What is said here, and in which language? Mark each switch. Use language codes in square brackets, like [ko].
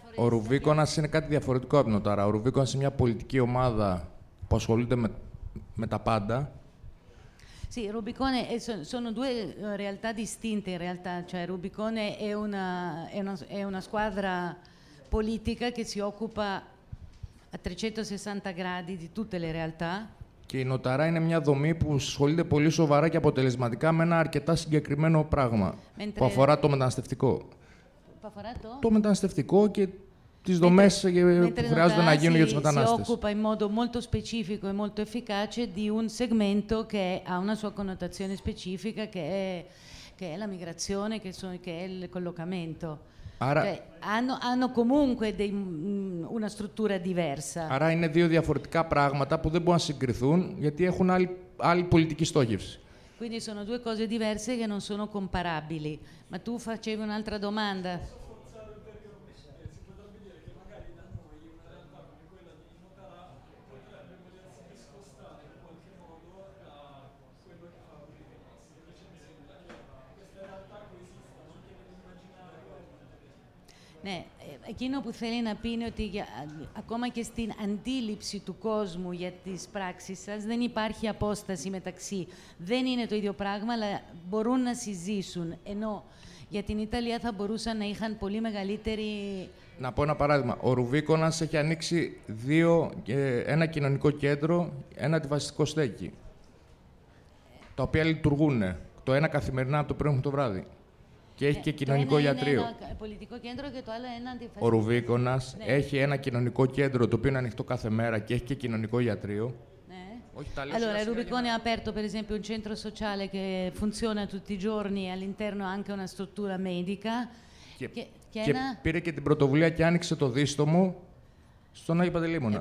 [el] Ο Ρουβίκονας είναι κάτι διαφορετικό από την ΟΤΑΡΑ. Ο Ρουβίκονας είναι μια πολιτική ομάδα που ασχολείται με τα πάντα. [it] Sì, Rubicone sono due realtà distinte in realtà, cioè Rubicone è una squadra politica che si occupa a 360 gradi di tutte le realtà. [el] Και η Νοταρά είναι μια δομή που ασχολείται πολύ σοβαρά και αποτελεσματικά με ένα αρκετά συγκεκριμένο πράγμα που αφορά το μεταναστευτικό. Το μεταναστευτικό και τις δομές που χρειάζονται να γίνουν για τους μετανάστες. [it] Si occupa in modo molto specifico e molto efficace di un segmento che ha una sua connotazione specifica che è la migrazione, che è il collocamento. [el] Άρα, [it] cioè, hanno comunque una struttura diversa. [el] Άρα είναι δύο διαφορετικά πράγματα που δεν μπορούν να συγκριθούν γιατί έχουν άλλη πολιτική στόχευση. [it] Quindi sono due cose diverse che non sono comparabili. Ma tu facevi un'altra domanda. [el] Ναι, εκείνο που θέλει να πει είναι ότι ακόμα και στην αντίληψη του κόσμου για τις πράξεις σας δεν υπάρχει απόσταση μεταξύ. Δεν είναι το ίδιο πράγμα, αλλά μπορούν να συζήσουν. Ενώ για την Ιταλία θα μπορούσαν να είχαν πολύ μεγαλύτερη... Να πω ένα παράδειγμα. Ο Ρουβίκονας έχει ανοίξει ένα κοινωνικό κέντρο, ένα αντιφασιστικό στέκι, τα οποία λειτουργούν, το ένα καθημερινά από το πρωί μέχρι το βράδυ. Και έχει και κοινωνικό γιατρείο. Ένα πολιτικό κέντρο και το άλλο ένα αντιφασιστικό. Ο Ρουβίκονας έχει ένα κοινωνικό κέντρο το οποίο είναι ανοιχτό κάθε μέρα και έχει και κοινωνικό γιατρείο. Όχι, τα λέω. [it] Allora, Rubicone ha aperto, per esempio, un centro sociale che funziona tutti i giorni e all'interno anche una struttura medica. [el] Και πήρε και την πρωτοβουλία και άνοιξε το δίστομο στον Άγιο Παντελήμονα.